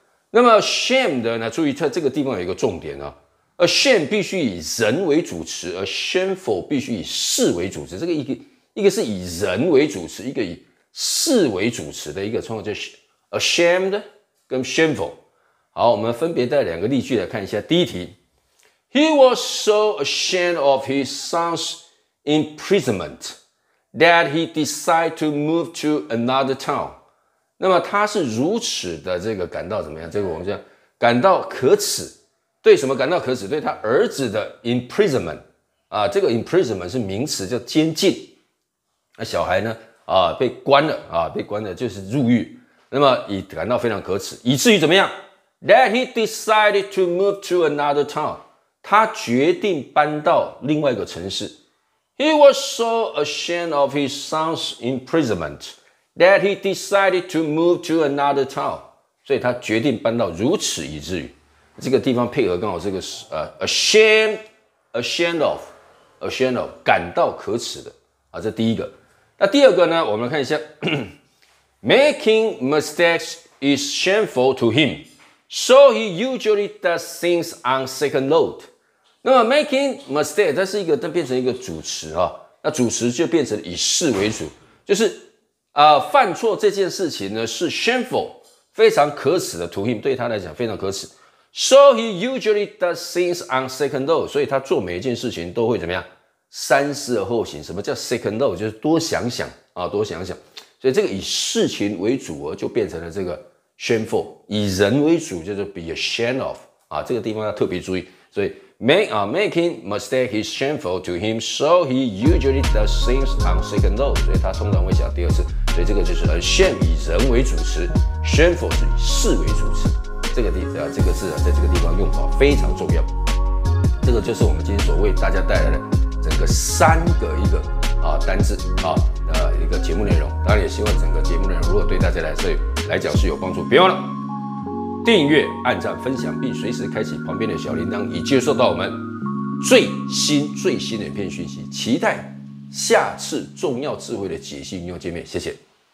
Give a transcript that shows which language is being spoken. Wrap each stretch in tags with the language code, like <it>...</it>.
<zh>那么 shamed 呢，注意它这个地方有一个重点啊， ashamed 必须以人为主词，而 shameful 必须以事为主词。这个一个是以人为主词，一个以事为主词的一个状况，叫 ashamed 跟 shameful。好，我们分别带两个例句来看一下。第一题，</zh> <en>He was so ashamed of his son's imprisonment that he decided to move to another town。</en> <zh>那么他是如此的这个感到怎么样，这个我们叫感到可耻，对什么感到可耻，对他儿子的 imprisonment 啊，这个 imprisonment 是名词，叫监禁。那小孩呢被关了被关了，就是入狱。那么以感到非常可耻，以至于怎么样，</zh> <en>That he decided to move to another town，</en> <zh>他决定搬到另外一个城市。</zh> <en>He was so ashamed of his son's imprisonment that he decided to move to another town，</en> <zh>所以他决定搬到，如此以至于。这个地方配合刚好这个ashamed of 感到可耻的这第一个。那第二个呢，我们来看一下</zh> <en>Making mistakes is shameful to himSo he usually does things on second thought。</en> <zh>那么 making mistake 它是一个，它变成一个主词那主词就变成以事为主，就是犯错这件事情呢是 shameful， 非常可耻的 to him， 对他来讲非常可耻。</zh> <en>So he usually does things on second thought，</en> <zh>所以他做每一件事情都会怎么样，三思而后行。什么叫 second thought？就是多想想多想想。所以这个以事情为主而就变成了这个shameful， 以人为主叫做 be ashamed of 这个地方要特别注意。</zh> <en>所以 making mistake is shameful to him， so he usually does things on second thought，</en> <zh>所以他通常会想第二次。所以这个就是 ashamed 以人为主词， shameful 是以事为主词，这个字在这个地方用法非常重要。这个就是我们今天所为大家带来的整个三个一个单字一个节目内容。当然也希望整个节目内容如果对大家来讲是有帮助，别忘了订阅、按赞、分享，并随时开启旁边的小铃铛，以接收到我们最新的影片讯息。期待下次重要智慧的解析应用界面，谢谢。</zh>